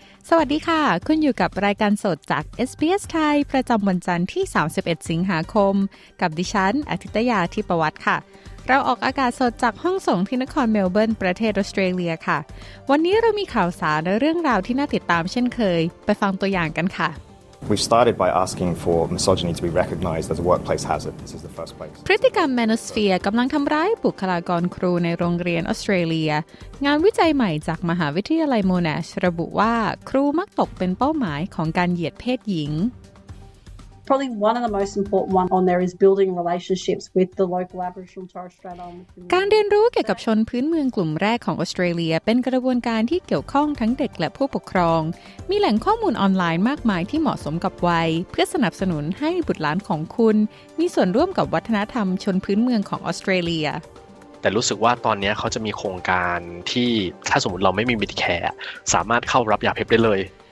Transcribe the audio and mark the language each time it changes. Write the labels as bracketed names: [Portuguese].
[Thai] สวัสดีค่ะคุณอยู่กับรายการสดจาก SBS ไทยประจำวันจันทร์ที่31สิงหาคมกับดิฉันอาทิตยาทิพวัฒน์ค่ะเราออกอากาศสดจากห้องส่งที่นครเมลเบิร์นประเทศออสเตรเลียค่ะวันนี้เรามีข่าวสารและเรื่องราวที่น่าติดตามเช่นเคยไปฟังตัวอย่างกันค่ะ [English] We started by asking for misogyny to be recognized as a workplace hazard. This is the first place. [Thai] พฤติกรรมแมนโนสเฟียร์กำลังทำร้ายบุคลากรครูในโรงเรียนออสเตรเลียงานวิจัยใหม่จากมหาวิทยาลัยโมแนชระบุว่าครูมักตกเป็นเป้าหมายของการเหยียดเพศหญิง [English] Probably one of the most important ones on there is building relationships with the local Aboriginal and Torres Strait Islander community. [Thai] การเรียนรู้เกี่ยวกับชนพื้นเมืองกลุ่มแรกของออสเตรเลียเป็นกระบวนการที่เกี่ยวข้องทั้งเด็กและผู้ปกครองมีแหล่งข้อมูลออนไลน์มากมายที่เหมาะสมกับวัยเพื่อสนับสนุนให้บุตรหลานของคุณมีส่วนร่วมกับวัฒนธรรมชนพื้นเมืองของออสเตรเลีย แต่รู้สึกว่าตอนนี้เขาจะมีโครงการที่ถ้าสมมติเราไม่มีมิดแคร์สามารถเข้ารับยาเพ็บได้เลย